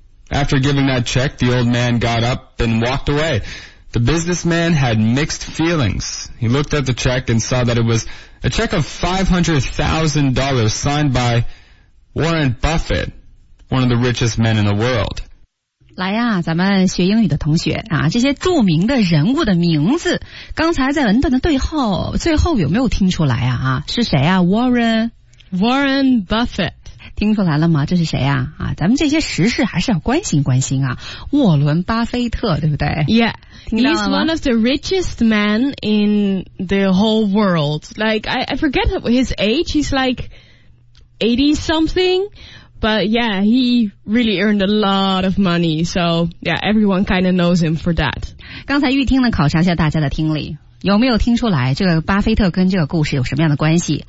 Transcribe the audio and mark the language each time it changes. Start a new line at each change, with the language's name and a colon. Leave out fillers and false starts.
English: After giving that check, the old man got up and walked away. The businessman had mixed feelings. He looked at the check and saw that it was a check of $500,000 signed by Warren Buffett. One of the richest men in the world.
Chinese: 来呀，咱们学英语的同学啊，这些著名的人物的名字，刚才在文段的最后有没有听出来啊？是谁啊 ？Warren
English: Buffett，
Chinese: 听出来了吗？这是谁啊？啊，咱们这些时事还是要关心关心啊。沃伦·巴菲特，对不对
English: ？Yeah, he's one of the richest men in the whole world. Like I forget his age. He's like 80 something. But yeah, he really earned a lot of money. So yeah, everyone kind of knows him for that.
Chinese: 刚才玉听呢，考察一下大家的听力，有没有听出来这个巴菲特跟这个故事有什么样的关系？